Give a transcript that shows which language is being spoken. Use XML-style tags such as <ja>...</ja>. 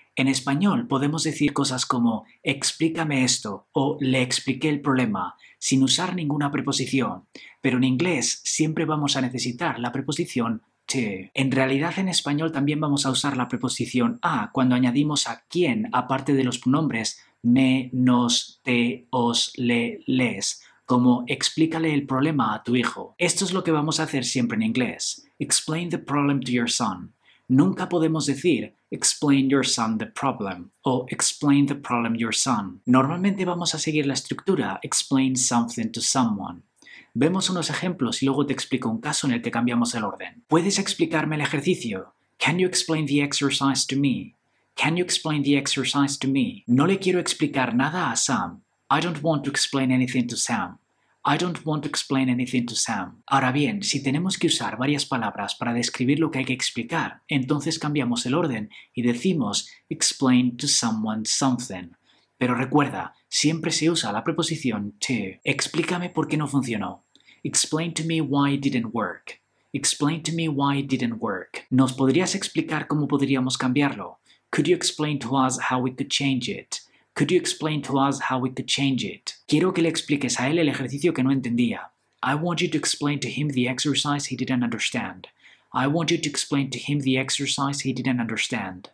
<es>En español podemos decir cosas como explícame esto o le expliqué el problema sin usar ninguna preposición, pero en inglés siempre vamos a necesitar la preposición to. En realidad en español también vamos a usar la preposición a cuando añadimos a quién aparte de los pronombres me, nos, te, os, le, les, como explícale el problema a tu hijo. Esto es lo que vamos a hacer siempre en inglés.</es> <en>Explain the problem to your son.</en> <es>Nunca podemos decir</es> <en>explain your son the problem</en> <es>o</es> <en>explain the problem your son.</en> <es>Normalmente vamos a seguir la estructura</es> <en>explain something to someone.</en> <es>Vemos unos ejemplos y luego te explico un caso en el que cambiamos el orden. ¿Puedes explicarme el ejercicio?</es> <en>Can you explain the exercise to me? Can you explain the exercise to me?</en> <es>No le quiero explicar nada a Sam.</es> <en>I don't want to explain anything to Sam. I don't want to explain anything to Sam.</en> <es>Ahora bien, si tenemos que usar varias palabras para describir lo que hay que explicar, entonces cambiamos el orden y decimos</es> <en>explain to someone something.</en> <es>Pero recuerda, siempre se usa la preposición to. Explícame por qué no funcionó.</es> <en>Explain to me why it didn't work. Explain to me why it didn't work.</en> <es>¿Nos podrías explicar cómo podríamos cambiarlo?</es> <en>Could you explain to us how we could change it? Could you explain to us how we could change it?</en> <es>Quiero que le expliques a él el ejercicio que no entendía.</es> <en>I want you to explain to him the exercise he didn't understand. I want you to explain to him the exercise he didn't understand.</en>